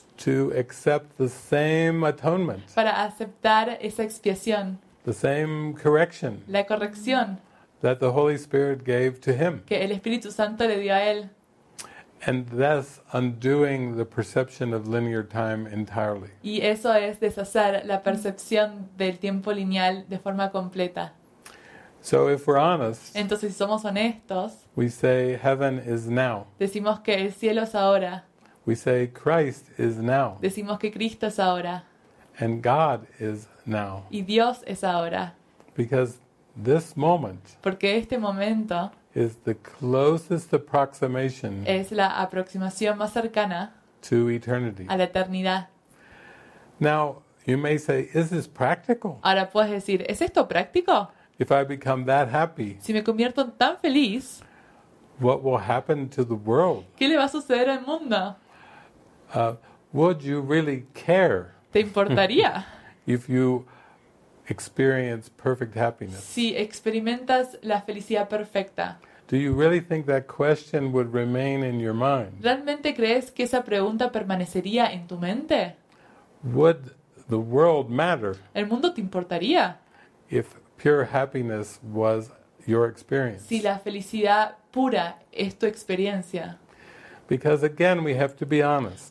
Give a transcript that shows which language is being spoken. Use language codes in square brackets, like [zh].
[en] To accept the same atonement. [es] Para aceptar esa expiación. [en] The same correction. [es] La corrección. [en] That the Holy Spirit gave to him. [es] Que el Espíritu Santo le dio a él. [en] And thus undoing the perception of linear time entirely. [es] Y eso es deshacer la percepción del tiempo lineal de forma completa. [en] So if we're honest, [es] entonces si somos honestos, [en] we say heaven is now. [es] Decimos que el cielo es ahora. [en] We say Christ is now. [es] Decimos que Cristo es ahora. [en] And God is now. [es] Y Dios es ahora. [en] Because this moment, [es] porque este momento, [en] is the closest approximation, [es] es la aproximación más cercana, [en] to eternity, [es] a la eternidad. [en] Now you may say, is this practical? [es] Ahora puedes decir, ¿es esto práctico? [en] If I become that happy, [es] si me convierto tan feliz, [en] what will happen to the world? [es] ¿Qué le va a suceder al mundo? [en] Would you really care? [es] ¿Te importaría? [en] If you experience perfect happiness. [es] Si experimentas la felicidad perfecta. [en] Do you really think that question would remain in your mind? [es] ¿Realmente crees que esa pregunta permanecería en tu mente? [en] Would the world matter? [es] ¿El mundo te importaría? [en] If pure happiness was your experience. [es] Si la felicidad pura es tu experiencia. [en] Because again we have to be honest.